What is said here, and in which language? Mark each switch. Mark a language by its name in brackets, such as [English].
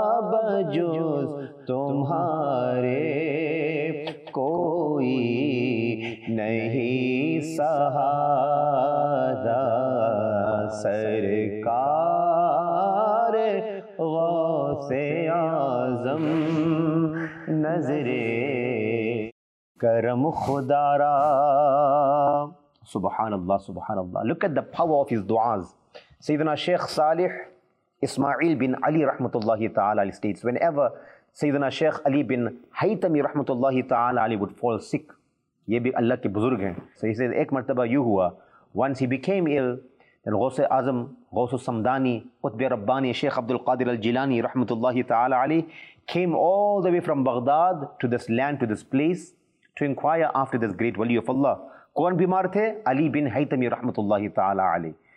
[Urdu] بجز تمہارے کوئی نہیں سہارا، سرکار غوث اعظم نظرے کرم خدا را. [Arabic] سبحان اللہ سبحان اللہ، [English] look at the power of his duas. [Urdu] سیدنا شیخ صالح اسماعیل بن علی رحمۃ اللہ تعالی علیہ [English] states, whenever [Urdu] سیدنا شیخ علی بن حیتمی رحمۃ اللہ تعالی علیہ [English] would fall sick, [Urdu] یہ بھی اللہ کے بزرگ ہیں. [English] So he says, [Urdu] ایک مرتبہ یوں ہوا, [English] once he became ill, then غوث اعظم غوث السمدانی قطب ربانی شیخ عبد القادر الجیلانی رحمۃ اللہ تعالی علیہ came all the way from Baghdad to this land, to this place, to inquire after this great wali of Allah. [Urdu] کون بیمار تھے؟ علی بن حیتمی رحمۃ اللہ تعالی علیہ.